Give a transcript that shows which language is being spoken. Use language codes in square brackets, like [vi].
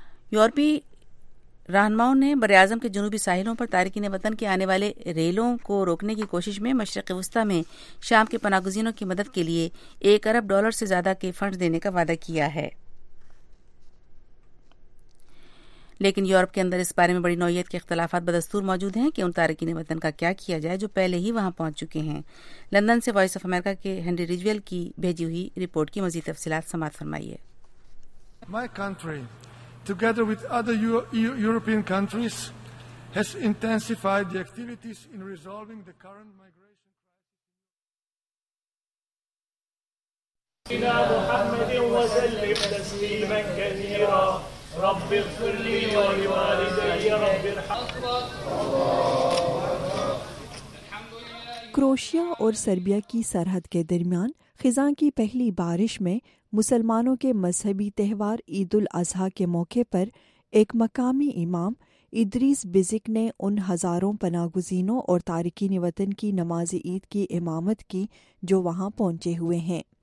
[ur] یورپی رہنماؤں نے براعظم کے جنوبی ساحلوں پر تارکین وطن کے آنے والے ریلوں کو روکنے کی کوشش میں مشرق وسطی میں شام کے پناہ گزینوں کی مدد کے لیے $1 ارب سے زیادہ کے فنڈز دینے کا وعدہ کیا ہے، لیکن یورپ کے اندر اس بارے میں بڑی نوعیت کے اختلافات بدستور موجود ہیں کہ ان تارکین وطن کا کیا کیا جائے جو پہلے ہی وہاں پہنچ چکے ہیں. لندن سے وائس آف امریکہ کے ہنری رجویل کی بھیجی ہوئی رپورٹ کی مزید تفصیلات سماعت فرمائیے. [en] My country, together with other European countries, has intensified the activities in resolving the current migration crisis. [ar] رب اغفر لي ولوالدي رب ارحمهما. الحمد لله [ur] کروشیا اور سربیا کی سرحد کے درمیان خزاں کی پہلی بارش میں مسلمانوں کے مذہبی تہوار عید الاضحیٰ کے موقع پر ایک مقامی امام ادریس بزک نے ان ہزاروں پناہ گزینوں اور تارکین وطن کی نماز عید کی امامت کی جو وہاں پہنچے ہوئے ہیں.